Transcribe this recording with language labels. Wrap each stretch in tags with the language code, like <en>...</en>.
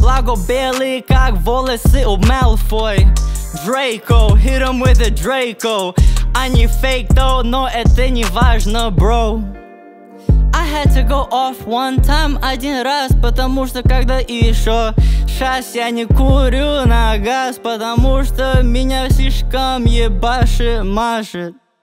<ru>Благо белый, как волосы у Малфой.</ru> <en>Draco, hit him with a Draco.</en> <ru>Они</ru> <en>fake though,</en> <ru>но это не важно, bro.</ru> <en>I had to go off one time,</en> <ru>один раз, потому что когда еще. Сейчас я не курю на газ, потому что меня слишком ебашит, машет.</ru>